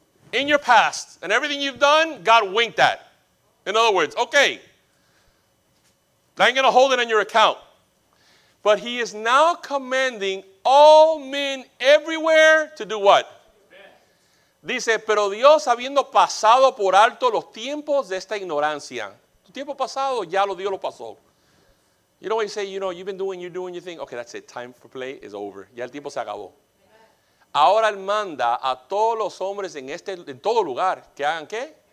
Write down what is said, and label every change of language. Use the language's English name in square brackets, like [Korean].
[English] In your past, and everything you've done, God winked at. In other words, okay, I ain't going to hold it on your account. But he is now commanding all men everywhere to do what? [Spanish] Dice, pero Dios habiendo pasado por alto los tiempos de esta ignorancia. Tu tiempo pasado, ya lo Dios lo pasó. [English] You know when you say, you know, you've been doing your thing. Okay, that's it. Time for play is over. [Spanish] Ya el tiempo se acabó. Ahora él manda a todos los hombres en todo lugar que hagan qué?